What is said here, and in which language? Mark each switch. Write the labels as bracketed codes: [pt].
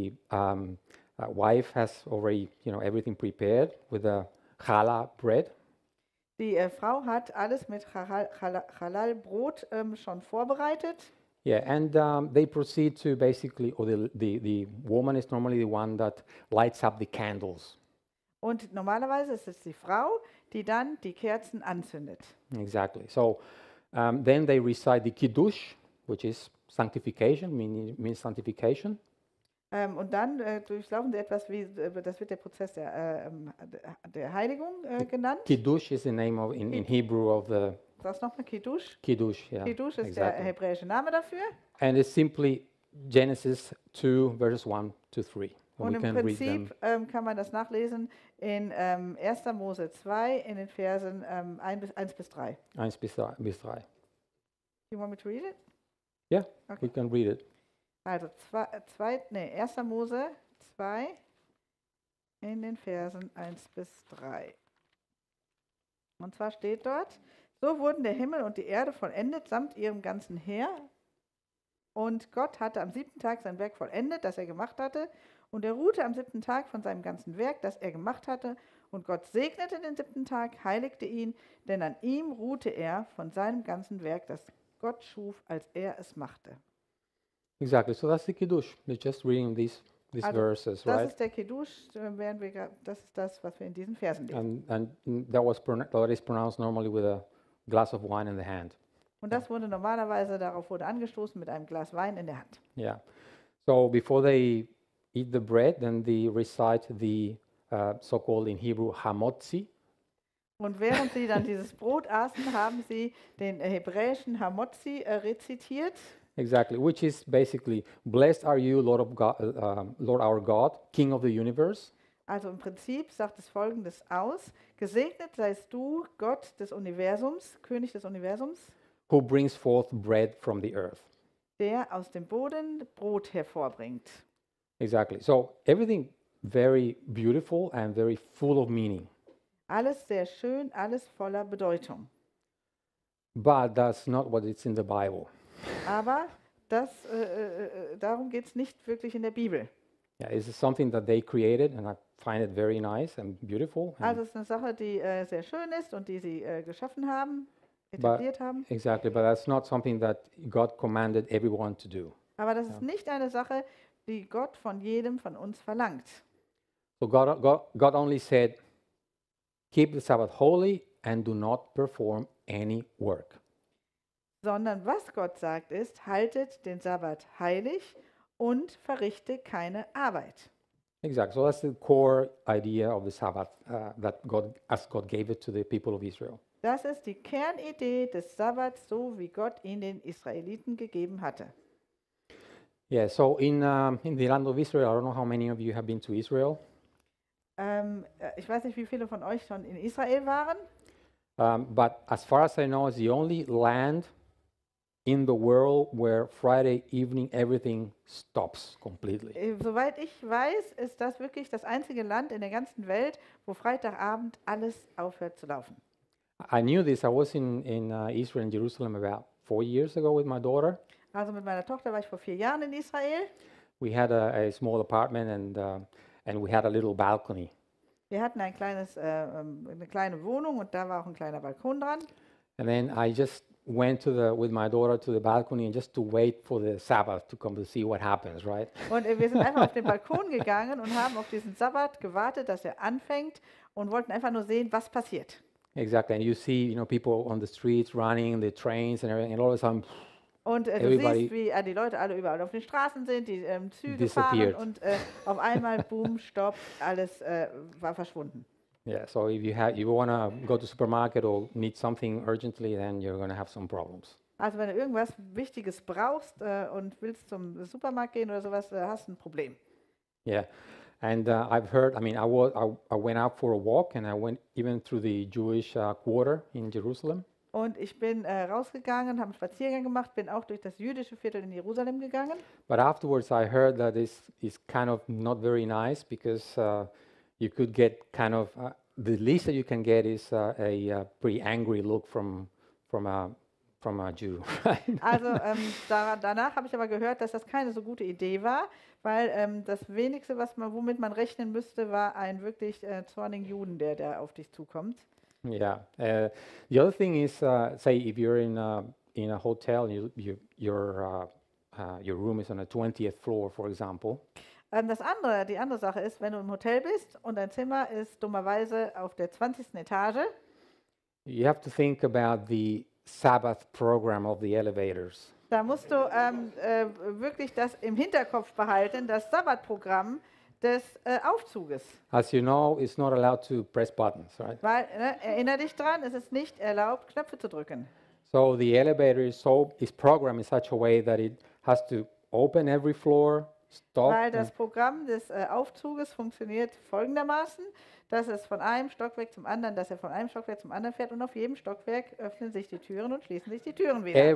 [en] The wife has already, you know, everything prepared with a challah bread. [de] Die Frau hat alles mit Challah Brot schon vorbereitet. [en] Yeah, and they proceed to basically, or the woman is normally the one that lights up the candles. [de] Und normalerweise ist es die Frau, die dann die Kerzen anzündet. [en] Exactly. So then they recite the Kiddush, which is sanctification, means sanctification. [de] Und dann durchlaufen sie etwas wie, das wird der Prozess der Heiligung genannt. [en] Kiddush is the name of in Hebrew of the. [de] Das nochmal Kiddush. Kiddush, ja. Yeah, Kiddush ist exactly. Der hebräische Name dafür. [en] And it's simply Genesis 2, verses 1 to 3. [de] Und im Prinzip kann man das nachlesen in 1. Mose 2 in den Versen 1 bis 3. 1 bis 3. [en] You want me to read it? Yeah, okay. We can read it. [de] Also 1. Mose 2 in den Versen 1 bis 3. Und zwar steht dort: So wurden der Himmel und die Erde vollendet samt ihrem ganzen Heer. Und Gott hatte am siebten Tag sein Werk vollendet, das er gemacht hatte. Und er ruhte am siebten Tag von seinem ganzen Werk, das er gemacht hatte. Und Gott segnete den siebten Tag, heiligte ihn, denn an ihm ruhte er von seinem ganzen Werk, das Gott schuf, als er es machte. [en] Exactly, so that's the Kiddush. We're just reading these also, verses, [de] das [en] right? [de] Das ist der Kiddush, das ist das, was wir in diesen Versen lesen. [en] And that was that is pronounced normally with a glass of wine in the hand. [de] Und das wurde normalerweise, darauf wurde angestoßen mit einem Glas Wein in der Hand. [en] Yeah. So before they eat the bread, then they recite the so-called in Hebrew Hamotzi. [de] Und während sie dann dieses Brot aßen, haben sie den hebräischen Hamotzi rezitiert. [en] Exactly, which is basically, blessed are you, Lord of God, Lord our God, King of the universe. [de] Also im Prinzip sagt es Folgendes aus: Gesegnet seist du, Gott des Universums, König des Universums. [en] Who brings forth bread from the earth. [de] Der aus dem Boden Brot hervorbringt. [en] Exactly. So everything very beautiful and very full of meaning. [de] Alles sehr schön, alles voller Bedeutung. [en] But that's not what it's in the Bible. [de] Aber das darum geht's nicht wirklich in der Bibel. [en] Yeah, it's something that they created, and I find it very nice and beautiful. And [de] also es ist eine Sache, die sehr schön ist und die sie geschaffen haben, etabliert haben. [en] Exactly, but that's not something that God commanded everyone to do. [de] Aber das ist nicht eine Sache, die Gott von jedem von uns verlangt. [en] So God only said, keep the Sabbath holy and do not perform any work. [de] Sondern was Gott sagt ist, haltet den Sabbat heilig und verrichte keine Arbeit. [en] Exactly. So that's the core idea of the Sabbath that God, as God gave it to the people of Israel. [de] Das ist die Kernidee des Sabbats, so wie Gott ihn den Israeliten gegeben hatte. [en] Yeah, so in the land of Israel, I don't know how many of you have been to Israel. [de] Ich weiß nicht, wie viele von euch schon in Israel waren. [en] But as far as I know, it's the only land in the world where Friday evening everything stops completely. [de] Soweit ich weiß, ist das wirklich das einzige Land in der ganzen Welt, wo Freitagabend alles aufhört zu laufen. [en] I knew this. I was in Israel, in Jerusalem, about 4 years ago with my daughter. [de] Also mit meiner Tochter war ich vor 4 Jahren in Israel. [en] We had a small apartment and we had a little balcony. [de] Wir hatten ein kleines eine kleine Wohnung und da war auch ein kleiner Balkon dran. [en] And then I just went to the with my daughter to the balcony and just to wait for the Sabbath to come to see what happens, right? [de] Und wir sind einfach auf den Balkon gegangen und haben auf diesen Sabbat gewartet, dass er anfängt und wollten einfach nur sehen, was passiert. [en] Exactly, and you see, you know, people on the streets running, the trains and everything, and all of a sudden, [de] und du everybody siehst, wie die Leute alle überall auf den Straßen sind, die Züge disappeared. Fahren und auf einmal, boom, stopp, alles war verschwunden. [en] Yeah, so if you have, you want to go to supermarket or need something urgently, then you're going to have some problems. [de] Also wenn du irgendwas Wichtiges brauchst und willst zum Supermarkt gehen oder sowas, hast du ein Problem. [en] Yeah, and I've heard, I mean, I went out for a walk and I went even through the Jewish quarter in Jerusalem. [de] Und ich bin rausgegangen, habe einen Spaziergang gemacht, bin auch durch das jüdische Viertel in Jerusalem gegangen. [en] But afterwards I heard that this is kind of not very nice because you could get kind of the least that you can get is a pretty angry look from a Jew. [de] Also danach habe ich aber gehört, dass das keine so gute Idee war, weil das Wenigste, was man, womit man rechnen müsste, war ein wirklich zornigen Juden, der auf dich zukommt. [en] Yeah. The other thing is, say if you're in a hotel, your room is on the 20th floor, for example. [de] Die andere Sache ist, wenn du im Hotel bist und dein Zimmer ist dummerweise auf der 20. Etage. [en] You have to think about the Sabbath program of the elevators. [de] Da musst du wirklich das im Hinterkopf behalten, das Sabbatprogramm des Aufzuges. [en] As you know, it's not allowed to press buttons, right? [de] Weil, erinnere dich dran, es ist nicht erlaubt, Knöpfe zu drücken. [en] So the elevator is programmed in such a way that it has to open every floor, stop. [de] Weil das Programm des Aufzuges funktioniert folgendermaßen, dass es von einem Stockwerk zum anderen, dass er von einem Stockwerk zum anderen fährt und auf jedem Stockwerk öffnen sich die Türen und schließen sich die Türen wieder.